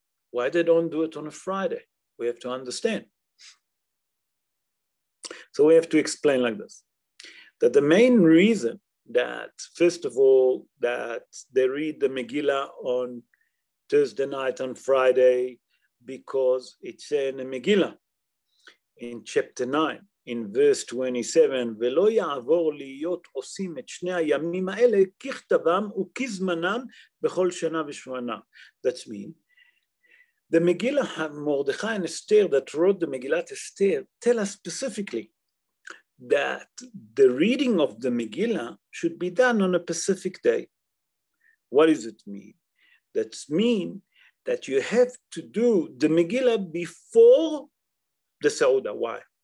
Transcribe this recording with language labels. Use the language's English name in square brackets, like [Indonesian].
[English] Why they don't do it on a Friday? We have to understand. So we have to explain like this, that the main reason that, first of all, that they read the Megillah on Thursday night, on Friday, because it's in the Megillah, in chapter 9, in verse 27, [Hebrew] ולא יעבור להיות עושים את שני הימים האלה ככתבם וכזמנם בכל שנה ושמונה. [English] That's mean. The Megillah, Mordechai and Esther, that wrote the Megillat Esther, tell us specifically that the reading of the Megillah should be done on a specific day. What does it mean? That means that you have to do the Megillah before the Seuda. Why?